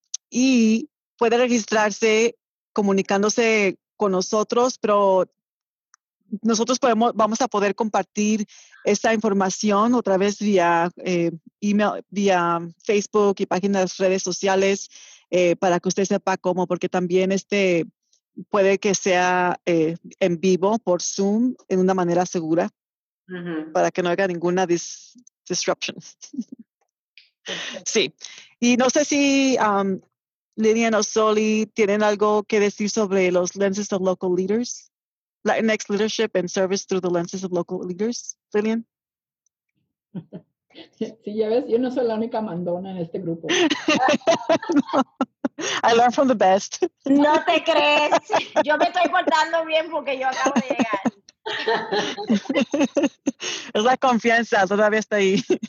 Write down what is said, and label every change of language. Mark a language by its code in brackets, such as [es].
[es] Y puede registrarse comunicándose con nosotros, pero nosotros vamos a poder compartir esta información otra vez vía email, vía Facebook y páginas, redes sociales, para que usted sepa cómo, porque también puede que sea en vivo por Zoom en una manera segura, para que no haya ninguna [en] disruption. [es] Sí. Y no sé si... Lilian o Soli, ¿tienen algo que decir sobre los Lenses of Local Leaders? [en] Latinx Leadership and Service through the Lenses of Local Leaders. [es] Lilian? Sí, ya ves, yo no soy la única mandona en este grupo. [en] No. I learn from the best. [es] No te crees. Yo me estoy portando bien porque yo acabo de llegar. Es la confianza, todavía está ahí.